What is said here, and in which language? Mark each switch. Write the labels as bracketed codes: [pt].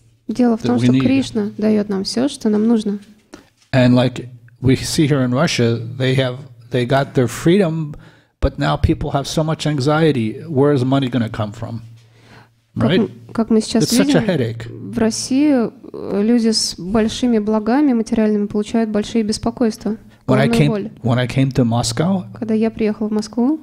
[ru] Дело в том, что Кришна дает нам все, что нам нужно. [en] And like we see here in Russia, they got their freedom, but now people have so much anxiety. Where is money going to come from? Right? [ru] Как мы сейчас [en] It's [ru] видим, [en] such a headache. [ru] В России люди с большими благами материальными получают большие беспокойства. [en] When I came to Moscow, [ru] когда я приехал в Москву,